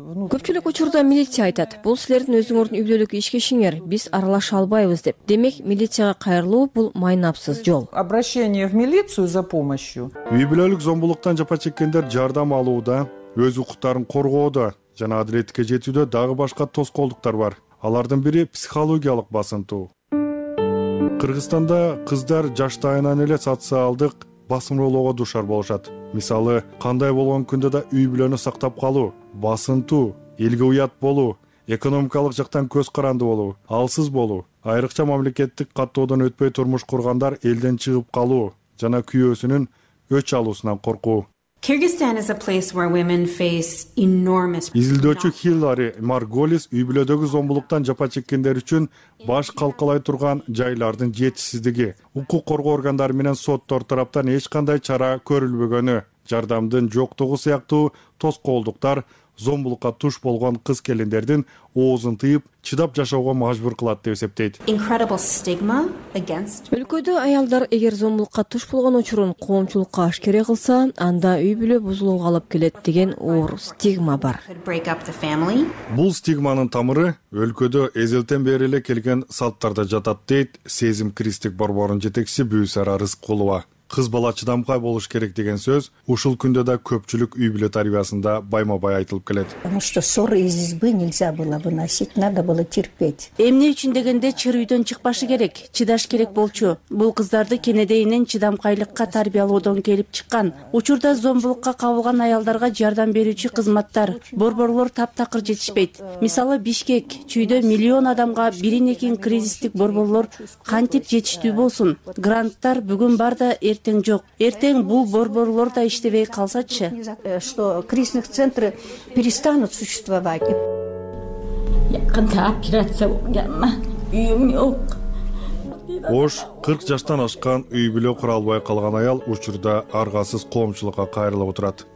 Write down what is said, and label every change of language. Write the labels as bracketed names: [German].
[Kyrgyz] Көпчүлүк учурда милиция айтат: бул силердин өзүңөрдүн үй бүлөлүк ишкешиңер, биз аралаша албайбыз деп. Демек, милицияга кайрылуу бул майнапсыз жол. [Russian] Обращение в милицию за помощью. [Kyrgyz] Үй бүлөлүк зомбулуктан жапа чеккендер жардам алууда, өз укуктарын коргоодо жана адилеттикке жетүүдө дагы башка тоскоолдуктар бар. Алардын бири психологиялык басынтуу. Кыргызстанда кыздар жаштайынан эле социалдык басымдуулукка дуушар болушат. Мисалы, кандай болгон күндө да үй бүлөнү сактап калуу, басынтуу, элге уят болуу, экономикалык жактан көз каранды болуу, алсыз болуу, айрыкча мамлекеттик каттоодон өтпөй турмуш кургандар элден чыгып калуу жана күйөөсүнүн өч алуусунан коркуу. [English] Kyrgyzstan is a place where women face enormous [Kyrgyz] Изилдөөчү Хиллари Марголис үй-бүлөдөгү зомбулуктан жапа чеккендер үчүн баш калкалай турган жайлардын жетишсиздиги, укук коргоо органдары менен соттор тараптан эч кандай чара көрүлбөгөнү, жардамдын жоктугу сыяктуу тоскоолдуктар зомбулукка туш болгон кыз-келиндердин оозун тыйып чыдап жашоого мажбур кылат деп эсептейт. Өлкөдө аялдар эгер зомбулукка туш болгон учурун коомчулукка ашкере кылса, анда үй-бүлө бузулууга алып келет деген оор стигма бар. Бул стигманын тамыры өлкөдө эзелтен бери эле келген салттарда жатат, дейт Сезим Кристик борборунун жетекчиси Бүйсара Рыскулова. Кыз бала чыдамкай болуш керек деген сөз ушул күндө да көпчүлүк үй-бүлө тарбиясында байма-бай айтылып келет. [Russian] Потому что ссоры из избы нельзя было выносить, надо было терпеть. [Kyrgyz] Эмне үчүн дегенде чыр үйдөн чыкпашы керек, чыдаш керек болчу. Бул кыздарды кенедейинен чыдамкайлыкка тарбиялоодон келип чыккан. Учурда зомбулукка кабылган аялдарга жардам берүүчү кызматтар, борборлор таптакыр жетишпейт. Мисалы, Бишкек, чүйдө 1 миллион адамга 1-2 кризистик борборлор кантип жетиштүү болсун? Гранттар бүгүн бар да эртең жок. Эртең бул борборлор да иштебей калсачы, [Russian] что кризисных центры перестанут существовать. Я когда [Kyrgyz] операция болганма, үйүм жок. Ош 40 жаштан ашкан үй-бүлө кура албай калган аял учурда аргасыз коомчулукка кайрылып отурат.